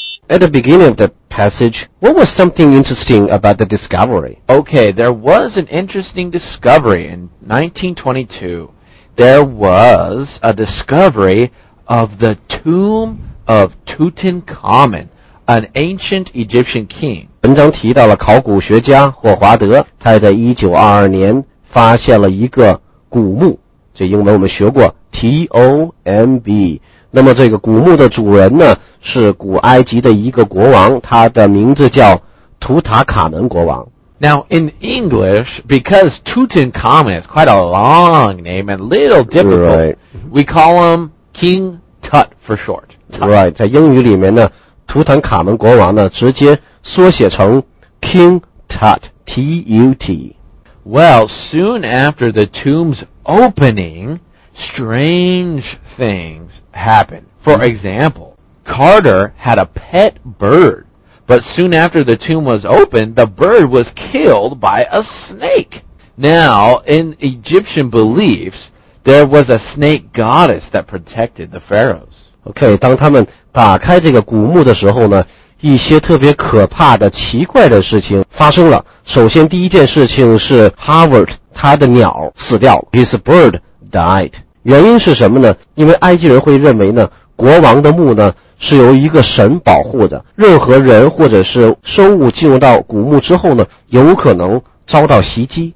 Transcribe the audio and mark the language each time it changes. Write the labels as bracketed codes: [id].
[en] At the beginning of the passage, what was something interesting about the discovery? Okay, there was an interesting discovery in 1922. There was a discovery of the tomb of Tutankhamun, an ancient Egyptian king. [zh] 文章提到了考古学家霍华德，他在1922年发现了一个古墓，这英文我们学过T-O-M-B。那么这个古墓的主人呢，是古埃及的一个国王，他的名字叫图塔卡门国王。 [en] Now in English, because Tutankhamun is quite a long name and a little difficult, right, we call him King Tut for short. Tut. [zh] Right, 在英语里面呢，图坦卡门国王呢，直接缩写成 King Tut, T-U-T. [en] Well, soon after the tomb's opening,strange things happened. For example, Carter had a pet bird, but soon after the tomb was opened, the bird was killed by a snake. Now, in Egyptian beliefs, there was a snake goddess that protected the pharaohs. [zh] Okay, 当他们打开这个古墓的时候呢，一些特别可怕的、奇怪的事情发生了。首先，第一件事情是 Howard 他的鸟死掉了。 [en] His bird died. [zh] 原因是什么呢？因为埃及人会认为呢，国王的墓呢是由一个神保护的，任何人或者是生物进入到古墓之后呢，有可能遭到袭击。